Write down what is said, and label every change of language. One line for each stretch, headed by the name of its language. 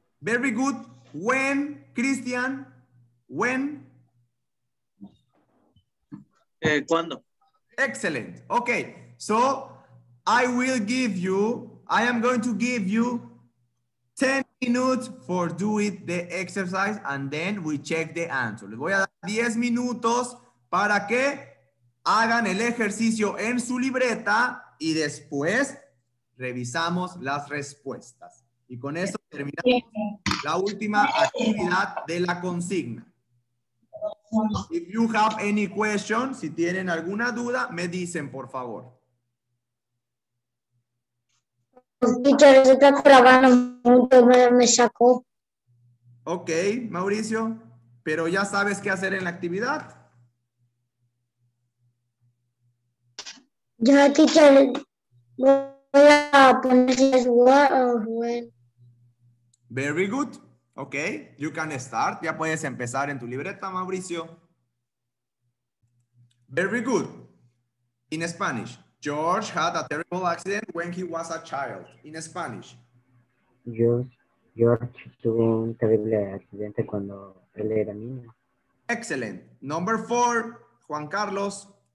English: Very good. When, Christian, when?
Spanish: ¿Cuándo?
English: Excellent. Okay. So, I am going to give you 10 minutes for doing the exercise and then we check the answer.
Spanish: Les voy a dar 10 minutos para que hagan el ejercicio en su libreta y después revisamos las respuestas. Y con eso terminamos la última actividad de la consigna.
English: If you have any question,
Spanish: si tienen alguna duda, me dicen por favor. Teacher, se está trabando mucho, me sacó. Ok, Mauricio, pero ya sabes qué hacer en la actividad. Ya, teacher, voy a poner.
English: Very good. Ok, you can start.
Spanish: Ya puedes empezar en tu libreta,
English: Mauricio. Very good. In Spanish. George had a terrible accident when he was a child. In Spanish.
Spanish: George tuvo un terrible accidente cuando él era niño.
English: Excellent. Number four, Juan Carlos.